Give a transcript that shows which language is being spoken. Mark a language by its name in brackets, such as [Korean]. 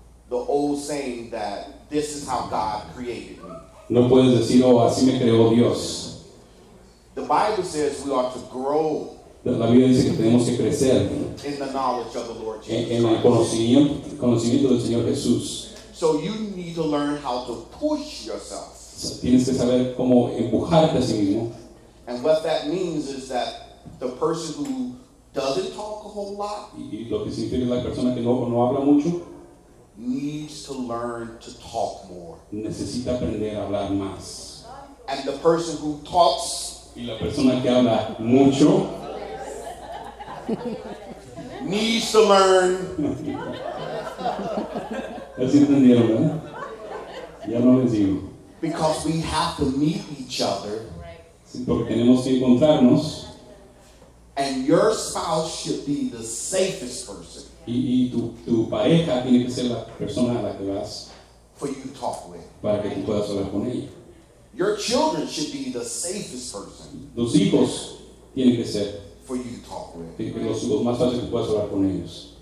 [English] the old saying that this is how God created me. [Spanish] No puedes decir, oh, así me creó Dios. [English] The Bible says we ought to grow. [Spanish] La Biblia dice que tenemos que crecer [English] in the knowledge of the Lord Jesus. [Spanish] En el conocimiento del Señor Jesús. [English] So you need to learn how to push yourself. [Spanish] Tienes que saber cómo empujarte a sí mismo. [English] And what that means is that the person who doesn't talk a whole lot. [Spanish] Y lo que significa la persona que no habla mucho. [English] Needs to learn to talk more. [Spanish] Necesita aprender a hablar más. [English] And the person who talks. [Spanish] Y la persona que habla mucho. [English] Needs to learn. [Spanish] ¿Así entendieron, eh? Ya no les digo. [English] Because we have to meet each other. [Spanish] Sí, porque tenemos que encontrarnos. [English] And your spouse should be the safest person. [Spanish] Y tu pareja tiene que ser la persona a la que vas. [English] For you to talk with. [Spanish] Para que tú puedas hablar con ella. [English] Your children should be the safest person. [Spanish] Los hijos tienen que ser. [English] For you to talk with. [Spanish] Que los más fácil que puedas hablar con ellos.